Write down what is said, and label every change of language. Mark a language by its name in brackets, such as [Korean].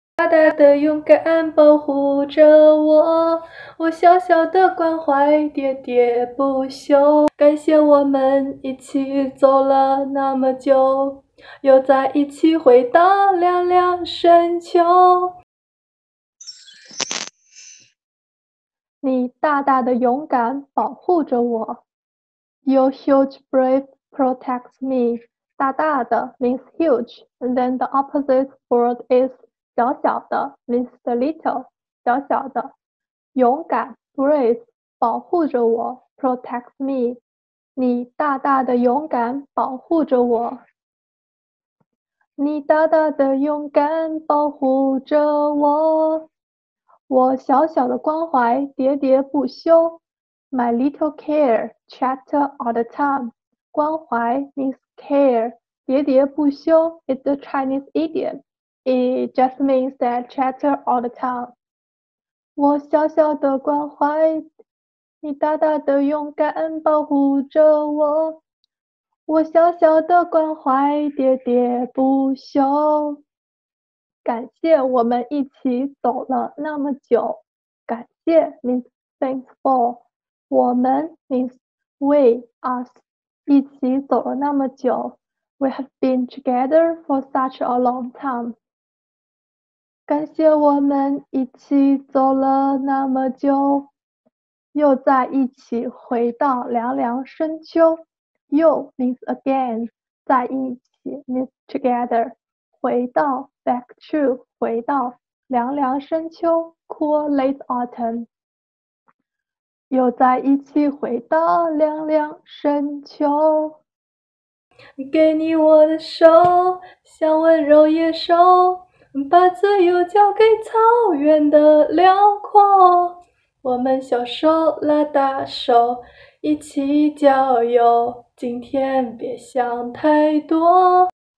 [Chinese] 大大的勇敢保护着我，我小小的关怀喋喋不休。感谢我们一起走了那么久，又在一起回到凉凉深秋。你大大的勇敢保护着我。 [English] Your huge brave protects me. [Chinese] 大大的 [English] means huge, and then the opposite word is [Chinese] 小小的 [English] means the little, [Chinese] 小小的。勇敢 [English] brave, [Chinese] 保护着我 [English] protects me. [Chinese] 你大大的勇敢保护着我。你大大的勇敢保护着我。我小小的关怀喋喋不休。 [English] My little care, chatter all the time. [Chinese] 关怀 [English] means care, [Chinese] 喋喋不休 [English] is a Chinese idiom. It just means that chatter all the time. [Chinese] 我小小的关怀，你大大的勇敢保护着我。我小小的关怀，喋喋不休。感谢我们一起走了那么久。感谢 [English] means thankful. [Chinese] 我们 [English] means we, us, [Chinese] 一起走了那么久。 [English] We have been together for such a long time. [Chinese] 感谢我们一起走了那么久。又在一起回到凉凉深秋。又 means again, 在一起 means together. 回到 back to, 回到凉凉深秋 cool late autumn. 又在一起回到凉凉深秋，给你我的手，像温柔野兽，把自由交给草原的辽阔。我们小手拉大手，一起郊游，今天别想太多。